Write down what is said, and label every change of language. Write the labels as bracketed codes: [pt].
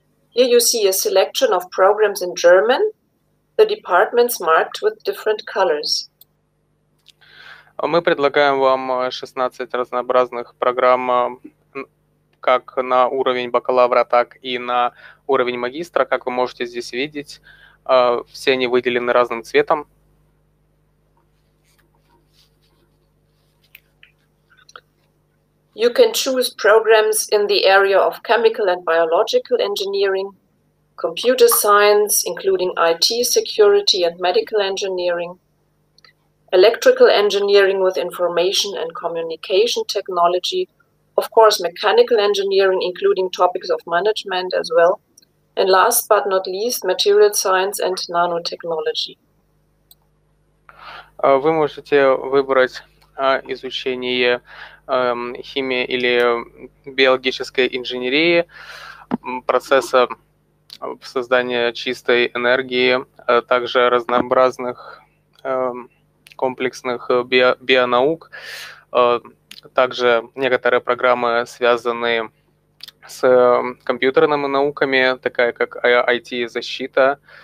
[en] Here you see a selection of programs in German, the departments marked with different colors. [ru] Мы предлагаем вам 16 разнообразных программ как на уровень бакалавра, так и на уровень магистра, как вы можете здесь видеть. Все они выделены разным цветом. [en] You can choose programs in the area of chemical and biological engineering, computer science, including IT security and medical engineering, electrical engineering with information and communication technology, of course, mechanical engineering, including topics of management as well, and last but not least, material science and nanotechnology. [ru] Вы можете выбрать изучение химии или биологической инженерии, процесса создания чистой энергии, также разнообразных комплексных бионаук, также некоторые программы, связанные с компьютерными науками, такая как IT-защита,